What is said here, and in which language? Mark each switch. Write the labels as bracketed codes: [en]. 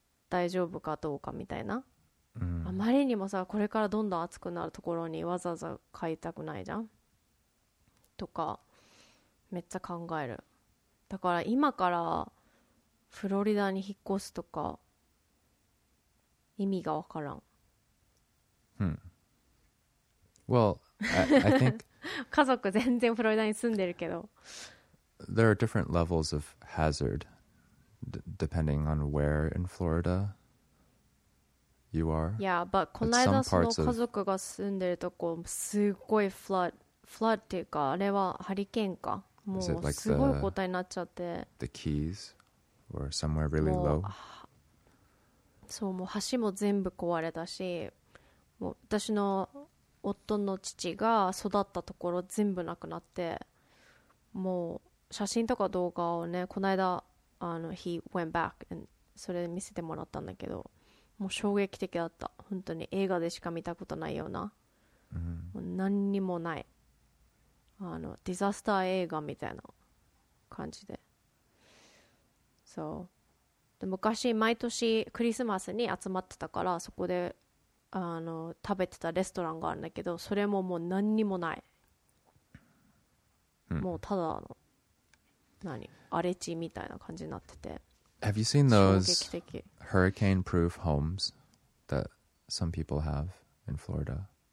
[ja] 大丈夫かどうかみたいな、あまりにもさ、これからどんどん暑くなるところにわざわざ買いたくないじゃんとかめっちゃ考える。だから今からフロリダに引っ越すとか意味がわからん。 [en] Well, I think [ja] 家族全然フロリダに住んでるけど、 [en] There are different levels of hazard depending on where in Florida you are. Yeah, but [ja] この間その家族が住んでるとこすごいフラッっていうか、あれはハリケーンか、もうすごい状態になっちゃって、 [en] the Keys or somewhere really low. [ja] そう、もう橋も全部壊れたし、もう私の夫の父が育ったところ全部なくなって、もう写真とか動画をね、この間あの [en] he went back [ja] and それ見せてもらったんだけど、もう衝撃的だった、本当に映画でしか見たことないような、何にもない、あのディザスター映画みたいな感じで。そう、で昔毎年クリスマスに集まってたから、そこであの食べてたレストランがあるんだけど、それももう何にもない、もうただの何荒れ地みたいな感じになってて。 [en] Have you seen those hurricane-proof homes that some people have in Florida?